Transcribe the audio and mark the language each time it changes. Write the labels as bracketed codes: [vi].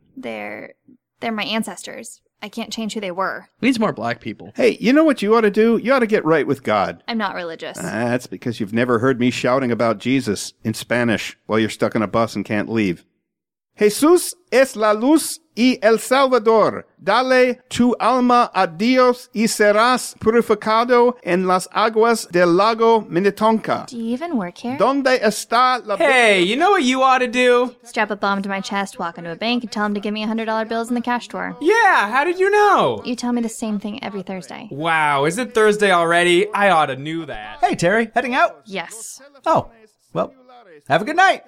[en] They're my ancestors. I can't change who they were. Needs more black people. Hey, you know what you ought to do? You ought to get right with God. I'm not religious. That's because you've never heard me shouting about Jesus in Spanish while you're stuck in a bus and can't leave. [es] Jesús es la luz y el Salvador. Dale tu alma a Dios y serás purificado en las aguas del lago Minnetonka. [en] Do you even work here? [es] ¿Dónde está la... [en] Hey, you know what you ought to do? Strap a bomb to my chest, walk into a bank, and tell them to give me $100 bills in the cash drawer. Yeah, how did you know? You tell me the same thing every Thursday. Wow, is it Thursday already? I ought to knew that. Hey, Terry, heading out? Yes. Oh, well, have a good night.